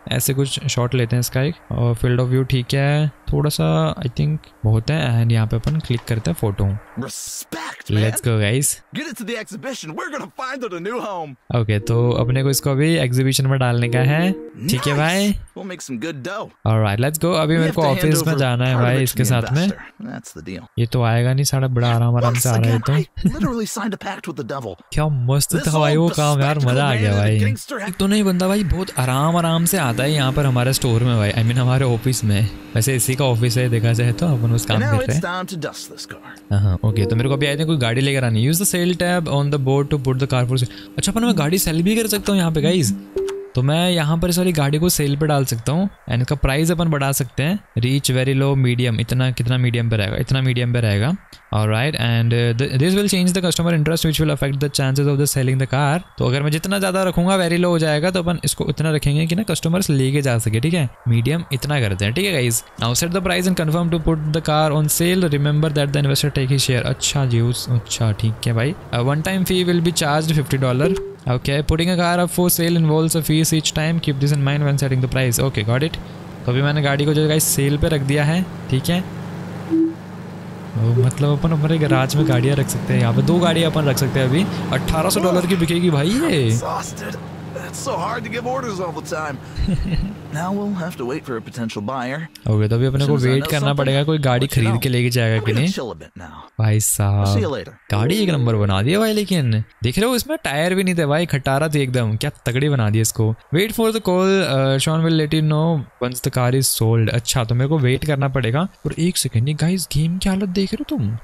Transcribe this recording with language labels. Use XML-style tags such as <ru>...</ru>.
<hi>ऐसे कुछ शॉट लेते हैं इसका एक. और फील्ड ऑफ व्यू ठीक है थोड़ा सा आई थिंक बहुत है. एंड यहाँ पे अपन क्लिक करते हैं photo.</hi> <en>Respect, Let's go, guys. Get it to the exhibition. We're gonna find it a new home.</en> <hi>Okay, तो अपने को इसको अभी एग्जीबिशन में डालने का है. ठीक</hi> <en>nice.</en> <hi>है भाई.</hi> <en>We'll make some good dough. All right, let's go.</en> <hi>अभी मेरे को ऑफिस में जाना है भाई इसके साथ में.</hi> <en>That's the deal.</en> <hi>ये तो आएगा नहीं साला बड़ा आराम आराम से आ रहा है तो.</hi> <en>Literally signed a pact with the devil.</en> <hi>क्या मस्त था भाई वो काम यार. मजा आ गया भाई. तो नहीं बंदा भाई बहुत आराम आराम से आता है यहाँ पर हमारे स्टोर में भाई. आई मीन हमारे ऑफिस में. वैसे इसी का ऑफिस है देखा जाए तो. अपन उस काम कर रहे हैं. ओके तो मेरे को अभी आए थे कोई गाड़ी लेकर आनी.</hi> <en>Use the sale tab on the board to put the car for sale.</en> <hi>अच्छा अपन मैं गाड़ी सेल भी कर सकता हूँ यहाँ पे गाइज. तो मैं यहाँ पर इस वाली गाड़ी को सेल पे डाल सकता हूँ एंड इसका प्राइस अपन बढ़ा सकते हैं. Reach very low medium. इतना कितना मीडियम पे रहेगा? इतना मीडियम पे रहेगा.</hi> <en>Alright and this will change the customer interest which will affect the chances of the selling the car.</en> <hi>तो अगर मैं जितना ज्यादा रखूंगा वेरी लो हो जाएगा तो अपन इसको उतना रखेंगे कि ना कस्टमर्स लेके जा सके. ठीक है मीडियम इतना करते हैं. ठीक है guys.</hi> <en>Now set the price and confirm to put the car on sale. Remember that the investor take his share.</en> <hi>अच्छा जी अच्छा ठीक है भाई.</hi> <en>One time fee will be charge $50. Okay, putting a car up for sale involves a fees each time. Keep this in mind when setting the price. Okay, got it.</en> <hi>तो अभी मैंने गाड़ी को जो गाइस सेल पे रख दिया है. ठीक है मतलब अपन अपने गैराज में गाड़ियां रख सकते हैं. यहाँ पे दो गाड़ियां अपन रख सकते हैं. अभी $1800 की बिकेगी भाई ये.</hi> <en>It's so hard to give orders all the time. Now we'll have to wait for a potential buyer.</en> <hi>Okay, तो अभी अपने को वेट करना पड़ेगा कोई गाड़ी खरीद के लेके जाएगा कि नहीं. भाई साहब, गाड़ी एक नंबर बना दिया भाई. लेकिन देख रहे हो इसमें टायर भी नहीं थे भाई, खटारा थी एकदम. क्या तगड़ी बना दिया इसको.</hi> <en>Wait for the call, Shawn will let you know once the car is sold.</en> <hi>अच्छा तो मेरे को वेट करना पड़ेगा. और एक सेकेंड, ये गाइस गेम की हालत देख रहे हो तुम.</hi>